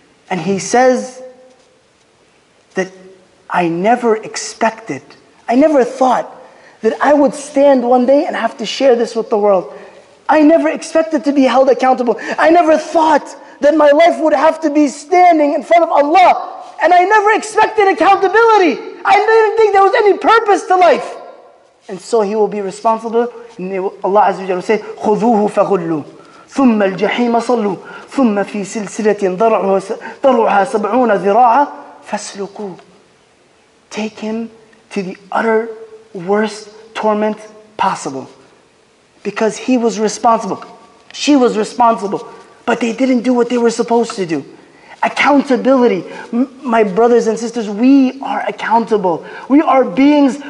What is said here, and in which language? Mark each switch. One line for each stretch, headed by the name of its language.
English: And he says that I never expected, I never thought that I would stand one day and have to share this with the world. I never expected to be held accountable. I never thought that my life would have to be standing in front of Allah. And I never expected accountability. I didn't think there was any purpose to life. And so he will be responsible. And Allah Azza wa Jalla will say,
Arabic: خُذُوهُ فَغُلُّوا ثُمَّ الْجَحِيمَ صَلُّوا ثُمَّ فِي سِلْسِلَةٍ ضَرْعُهَا سَبْعُونَ ذِرَاعًا فَاسْلُكُوا.
English: Take him to the utter worst torment possible. Because he was responsible. She was responsible. But they didn't do what they were supposed to do. Accountability. My brothers and sisters, we are accountable. We are beings.